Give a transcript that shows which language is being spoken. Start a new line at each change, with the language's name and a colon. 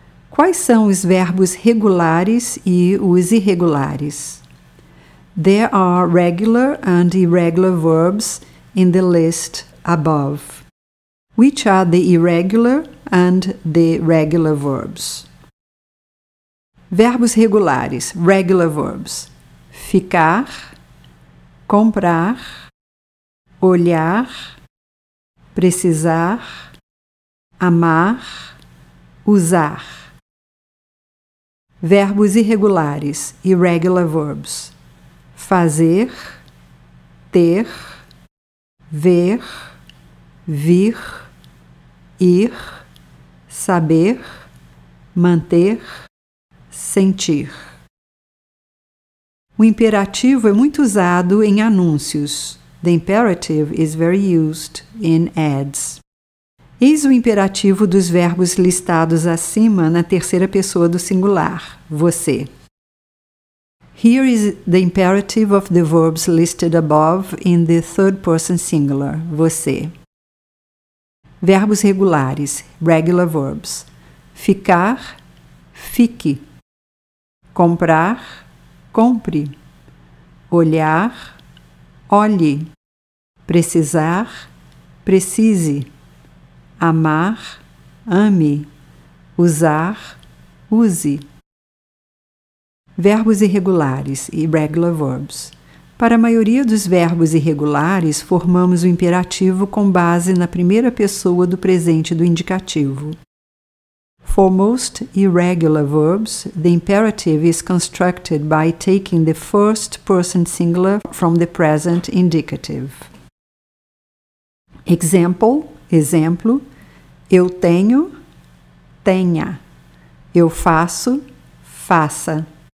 Portuguese: Quais são os verbos regulares e os irregulares?
English: There are regular and irregular verbs in the list above. Which are the irregular and the regular verbs?
Portuguese: Verbos regulares,
English: regular verbs.
Portuguese: Ficar, comprar, olhar, precisar, amar, usar. Verbos irregulares,
English: irregular verbs.
Portuguese: Fazer, ter, ver, vir, ir, saber, manter, sentir. O imperativo é muito usado em anúncios.
English: The imperative is very used in ads.
Portuguese: Eis o imperativo dos verbos listados acima na terceira pessoa do singular, você.
English: Here is the imperative of the verbs listed above in the third person singular, você.
Portuguese: Verbos regulares,
English: regular verbs.
Portuguese: Ficar, fique. Comprar, compre. Olhar, olhe. Precisar, precise. Amar, ame. Usar, use. Verbos irregulares,
English: irregular verbs.
Portuguese: Para a maioria dos verbos irregulares, formamos o imperativo com base na primeira pessoa do presente do indicativo.
English: For most irregular verbs, the imperative is constructed by taking the first person singular from the present indicative.
Portuguese: Example, exemplo, eu tenho, tenha, eu faço, faça.